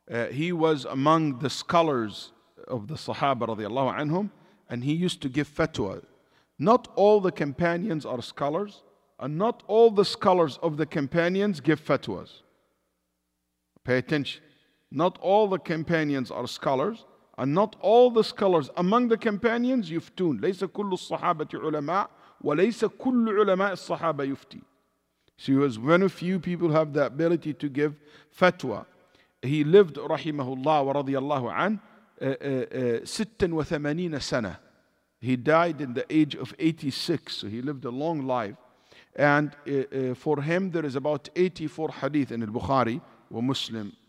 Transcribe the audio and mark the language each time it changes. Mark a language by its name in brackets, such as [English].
[English] He was among the scholars of the Sahaba radiallahu anhum, and he used to give fatwa. Not all the companions are scholars, and not all the scholars of the companions give fatwas. Pay attention. Not all the companions are scholars, and not all the scholars among the companions yuftun. [Arabic] ليس كل الصحابة علماء وليس كل علماء الصحابة يفتي. [English] So he was one of few people who have the ability to give fatwa. He lived, rahimahullah wa radiyallahu an, 86 سنة. He died in the age of 86, so he lived a long life. And for him, there is about 84 hadith in al-Bukhari wa Muslim.